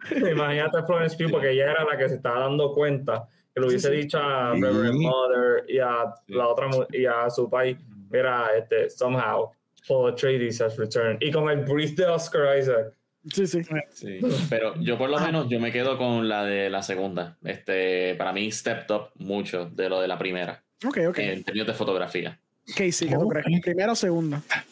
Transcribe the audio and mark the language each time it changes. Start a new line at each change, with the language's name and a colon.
Spanish: imagínate a Florence Pugh, porque ella era la que se estaba dando cuenta, que lo hubiese dicho a Reverend Mother y a la otra y a su país.
English: Mira, somehow, Paul Atreides has returned.
Spanish: Y con el breath de Oscar Isaac. Sí. Pero yo por lo menos, yo me quedo con la de la segunda. Para mí,
English: stepped up
Spanish: mucho de lo de la primera. Ok. En términos de fotografía. Casey, ¿qué tú crees? ¿Primera o segunda?